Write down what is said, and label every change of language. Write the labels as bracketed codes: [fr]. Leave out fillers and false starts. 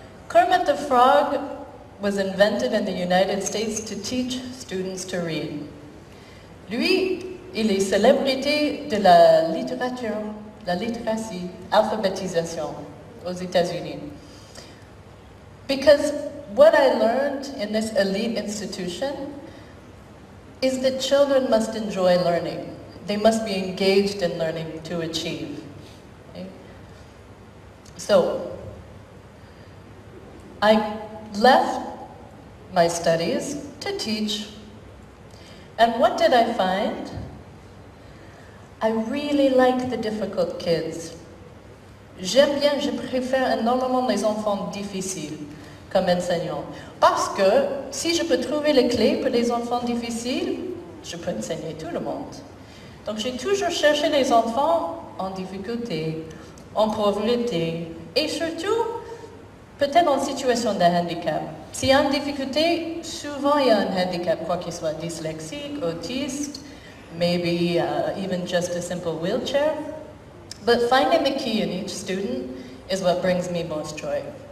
[en] Kermit the Frog was invented in the United States to teach students to read. [fr] Lui, il est célébrité de la littérature, la littératie, alphabetisation aux États-Unis. [en] Because what I learned in this elite institution is that children must enjoy learning. They must be engaged in learning to achieve. Okay? So, I left my studies to teach. And what did I find? I really like the difficult kids. [fr] J'aime bien, je préfère énormément les enfants difficiles comme enseignants. Parce que si je peux trouver les clés pour les enfants difficiles, je peux enseigner tout le monde. Donc j'ai toujours cherché les enfants en difficulté, en pauvreté, et surtout, peut-être en situation de handicap. S'il y a une difficulté, souvent il y a un handicap, quoi qu'il soit dyslexique, autiste, [en] maybe even just a simple wheelchair. But finding the key in each student is what brings me most joy.